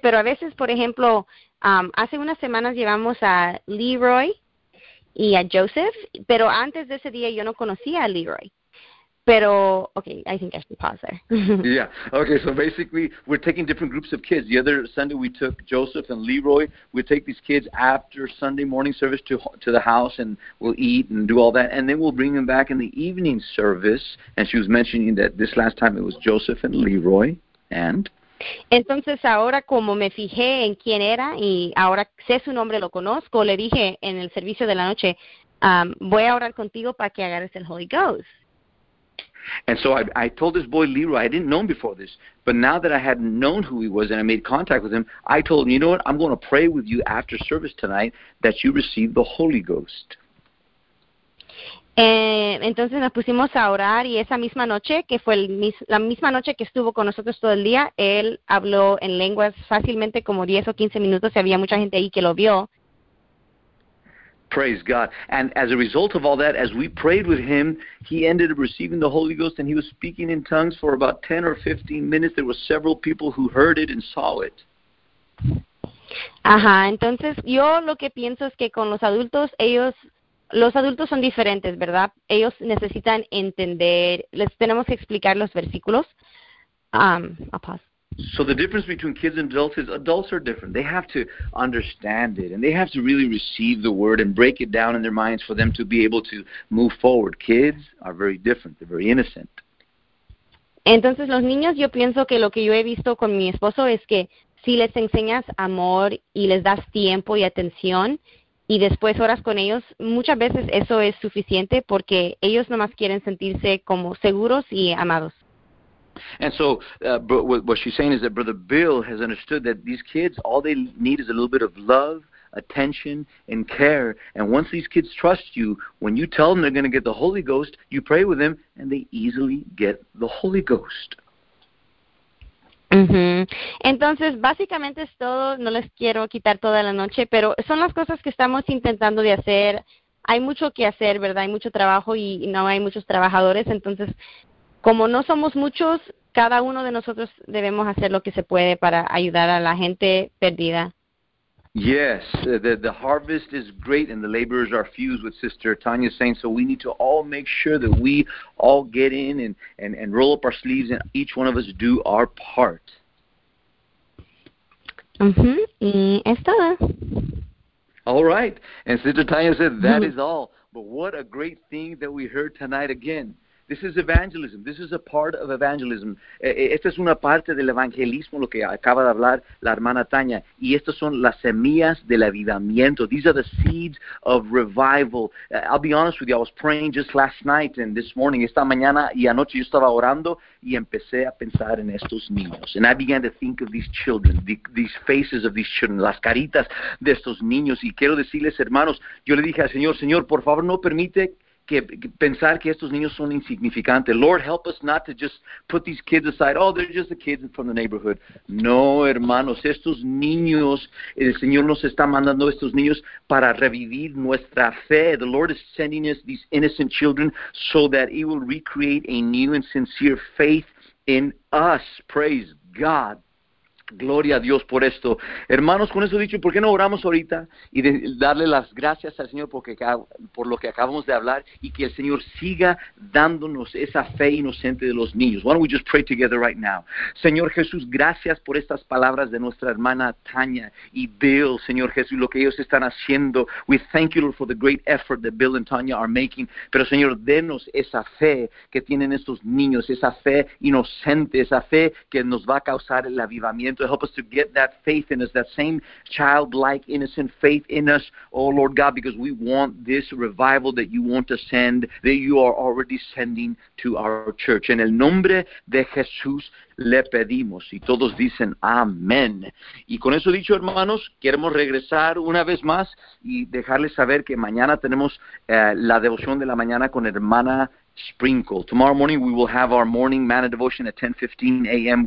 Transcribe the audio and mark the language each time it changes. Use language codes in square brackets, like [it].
[es] Pero a veces, por ejemplo, hace unas semanas llevamos a Leroy y a Joseph, pero antes de ese día yo no conocía a Leroy. [en] Pero, okay, I think I should pause there. Yeah, okay, so basically we're taking different groups of kids. The other Sunday we took Joseph and Leroy. We take these kids after Sunday morning service to the house, and we'll eat and do all that, and then we'll bring them back in the evening service. And she was mentioning that this last time it was Joseph and Leroy, and... [es] Entonces ahora como me fijé en quién era y ahora sé su nombre, lo conozco, le dije en el servicio de la noche, voy a orar contigo para que agarres el Holy Ghost. [en] And so I told this boy Leroy, I didn't know him before this, but now that I had known who he was and I made contact with him, I told him, you know what, I'm going to pray with you after service tonight that you receive the Holy Ghost. [es] Entonces nos pusimos a orar y esa misma noche, que fue la misma noche que estuvo con nosotros todo el día, él habló en lenguas fácilmente como 10 o 15 minutos y había mucha gente ahí que lo vio. [en] Praise God. And as a result of all that, as we prayed with him, he ended up receiving the Holy Ghost, and he was speaking in tongues for about 10 or 15 minutes. There were several people who heard it and saw it. [es] Ajá, entonces yo lo que pienso es que con los adultos, ellos, los adultos son diferentes, ¿verdad? Ellos necesitan entender, les tenemos que explicar los versículos. [en] I'll pause. So the difference between kids and adults is adults are different. They have to understand it, and they have to really receive the word and break it down in their minds for them to be able to move forward. Kids are very different. They're very innocent. [es] Entonces, los niños, yo pienso que lo que yo he visto con mi esposo es que si les enseñas amor y les das tiempo y atención y después oras con ellos, muchas veces eso es suficiente porque ellos nomás quieren sentirse como seguros y amados. [en] And so what she's saying is that Brother Bill has understood that these kids, all they need is a little bit of love, attention, and care. And once these kids trust you, when you tell them they're going to get the Holy Ghost, you pray with them, and they easily get the Holy Ghost. [es] Mm-hmm. Entonces, básicamente es todo. No les quiero quitar toda la noche, pero son las cosas que estamos intentando de hacer. Hay mucho que hacer, ¿verdad? Hay mucho trabajo y no hay muchos trabajadores, entonces... Como no somos muchos, cada uno de nosotros debemos hacer lo que se puede para ayudar a la gente perdida. [en] Yes, the harvest is great and the laborers are few, with Sister Tanya saying, so we need to all make sure that we all get in and roll up our sleeves and each one of us do our part. [es] Uh-huh. Y es todo. [en] All right, and Sister Tanya said, that is all. But what a great thing that we heard tonight again. This is evangelism. This is a part of evangelism. [es] Esta es una parte del evangelismo, lo que acaba de hablar la hermana Tania. Y estas son las semillas del avivamiento. These are the seeds of revival. [en] I'll be honest with you, I was praying just last night and this morning, esta mañana y anoche yo estaba orando y empecé a pensar en estos niños. And I began to think of these children, these faces of these children, las caritas de estos niños. [es] Y quiero decirles, hermanos, yo le dije al Señor, Señor, por favor, no permite... que pensar que estos niños son insignificantes. [en] Lord, help us not to just put these kids aside. Oh, they're just the kids from the neighborhood. [es] No, hermanos, estos niños, el Señor nos está mandando estos niños para revivir nuestra fe. [en] The Lord is sending us these innocent children so that he will recreate a new and sincere faith in us. [es] Praise God. Gloria a Dios por esto. Hermanos, con eso dicho, ¿por qué no oramos ahorita y de darle las gracias al Señor por lo que acabamos de hablar y que el Señor siga dándonos esa fe inocente de los niños? [en] Why don't we just pray together right now? [es] Señor Jesús, gracias por estas palabras de nuestra hermana Tania y Bill, Señor Jesús, lo que ellos están haciendo. [en] We thank you, Lord, for the great effort that Bill and Tania are making. [es] Pero Señor, denos esa fe que tienen estos niños, esa fe inocente, esa fe que nos va a causar el avivamiento. [en] To help us to get that faith in us, that same childlike, innocent faith in us, oh Lord God, because we want this revival that you want to send, that you are already sending to our church. [es] En el nombre de Jesús le pedimos, y todos dicen amén. Y con eso dicho, hermanos, queremos regresar una vez más y dejarles saber que mañana tenemos la devoción de la mañana con hermana Sprinkle. [en] Tomorrow morning we will have our morning manna devotion at 10:15 a.m.